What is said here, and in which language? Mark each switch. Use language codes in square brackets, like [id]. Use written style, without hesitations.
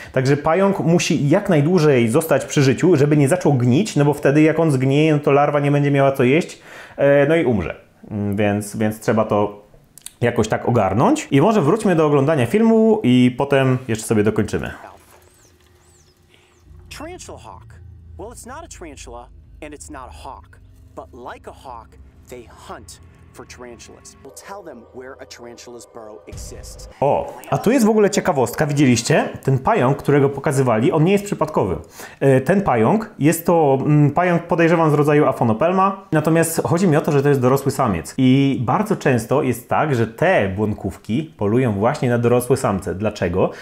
[pl] Także pająk musi jak najdłużej zostać przy życiu, żeby nie zaczął gnić, no bo wtedy jak on zgnieje, no to larwa nie będzie miała co jeść, no i umrze. Więc trzeba to jakoś tak ogarnąć. I może wróćmy do oglądania filmu i potem jeszcze sobie dokończymy. [en] Tarantula hawk. Well, it's not a tarantula and it's not a hawk. But like a hawk, they hunt for tarantulas. We'll tell them where a tarantula's burrow exists. [pl] O, a tu jest w ogóle ciekawostka, widzieliście? Ten pająk, którego pokazywali, on nie jest przypadkowy. Ten pająk, jest to pająk podejrzewam z rodzaju Afonopelma, natomiast chodzi mi o to, że to jest dorosły samiec. I bardzo często jest tak, że te błonkówki polują właśnie na dorosłe samce. Dlaczego?